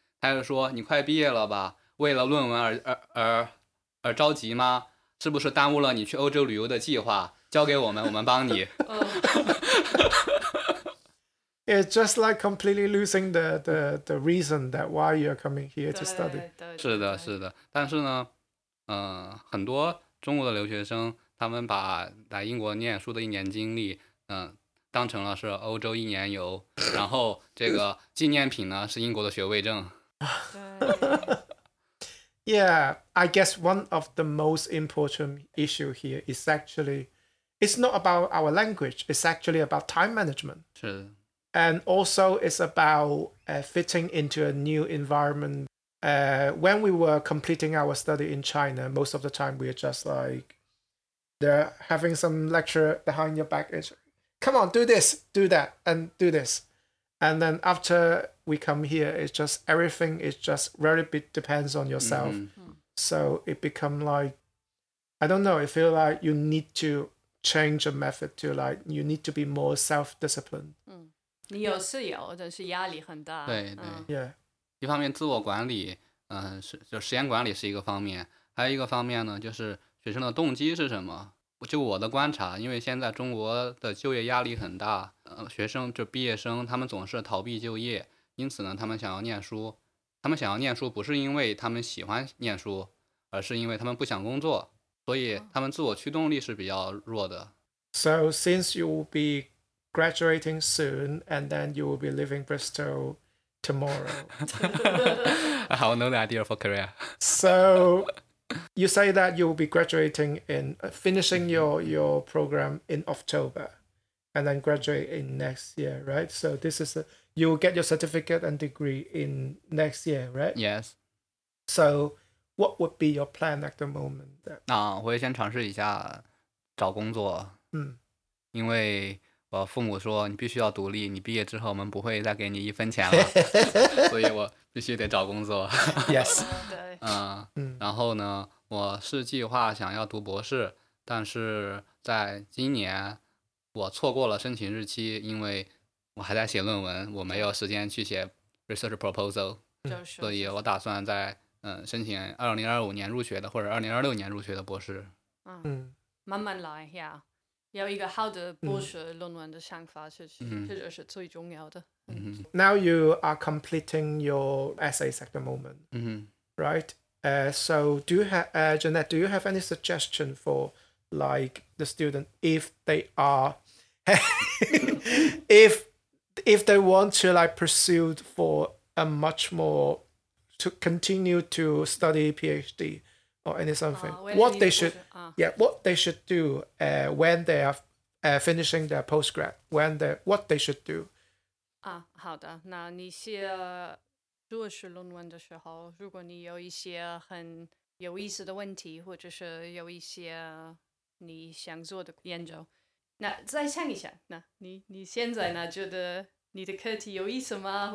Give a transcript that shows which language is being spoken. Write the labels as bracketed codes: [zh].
[zh] 他就说，你快毕业了吧？为了论文而着急吗？是不是耽误了你去欧洲旅游的计划？交给我们，我们帮你。 [en] It's just like completely losing the reason that why you're coming here to study. [zh] 是的，是的。但是呢，很多中国的留学生，他们把来英国念书的一年经历，当成了是欧洲一年游，然后这个纪念品呢是英国的学位证。 [en] Yeah, I guess one of the most important issue here is actually, it's not about our language, it's actually about time management. [zh] 是。 [en] And also it's about fitting into a new environment. When we were completing our study in China, most of the time we were just like, they're having some lecture behind your back. It's, come on, do this, do that, and do this. And then after... we come here, it's just everything is just very bit depends on yourself.、 Mm. So it become like, I don't know, I feel like you need to change a method to like, you need to be more self-disciplined.、 Mm. [zh] 你有是有，但是压力很大。对对、 [en] yeah. [zh] 一方面自我管理、就时间管理是一个方面，还有一个方面呢，就是学生的动机是什么。就我的观察，因为现在中国的就业压力很大、学生就毕业生他们总是逃避就业，因此呢他们想要念书，他们想要念书不是因为他们喜欢念书，而是因为他们不想工作，所以他们自我驱动力是比较弱的。 [en] So since you will be graduating soon and then you will be leaving Bristol tomorrow. I have no idea for career. So you say that you will be graduating in finishing your program in October and then graduate in next year, right? So this is aYou will get your certificate and degree in next year, right? Yes. So, what would be your plan at the moment? [zh] 那、我会先尝试一下找工作。嗯，因为我父母说你必须要独立，你毕业之后我们不会再给你一分钱了，所以我必须得找工作。 [en] Yes， [zh] 对。然后呢，我是计划想要读博士，但是在今年我错过了申请日期，因为我还在写论文，我没有时间去写 research proposal。所以我打算在申请2025年入学的或者2026年入学的博士。慢慢来呀。Yeah. 有一个好的博士论文的想法，这就是最重要的。 [en] Now you are completing your essays at the moment, right? So do you have, Jeanette, do you have any suggestion for like the student if they are, if they want to like pursue for a much more, to continue to study PhD? Or any something. What they should, what they should do, when they are, finishing their postgrad, when they, what they should do. [zh] 啊，好的。那你写硕士论文的时候，如果你有一些很有意思的问题，或者是有一些你想做的研究，那再想一想，那你现在呢，觉得你的课题有意思吗？